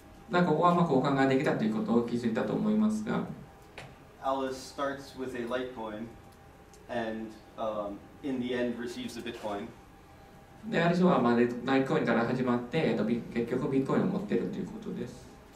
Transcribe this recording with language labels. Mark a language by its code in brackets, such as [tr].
[ja] だからここはまあ交換ができたということを気づいたと思いますが。 [en] Alice starts with a Litecoin and in the end receives a Bitcoin. [ja] で、アリスはまあナイコインから始まって、結局ビットコインを持っているということです。